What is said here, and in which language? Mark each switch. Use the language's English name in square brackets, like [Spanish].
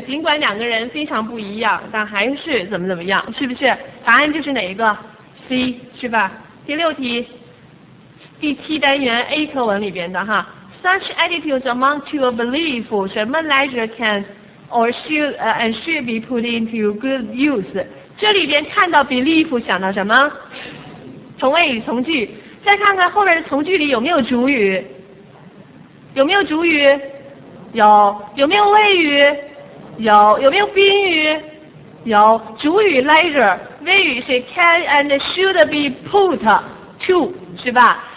[Chinese] 尽管两个人非常不一样，但还是怎么怎么样，是不是？答案就是哪一个？C， 是吧？第六题，第七单元 A 课文里边的哈。 [English] Such attitudes amount to a belief [Chinese] 什么 [English] leisure can or should and should be put into good use。 [Chinese] 这里边看到 belief 想到什么？从谓语从句。再看看后面的从句里有没有主语，有没有主语？有。有没有谓语？有。有没有宾语？有。主语 leisure， 谓语是 [English] can and should be put to， [Chinese] 是吧？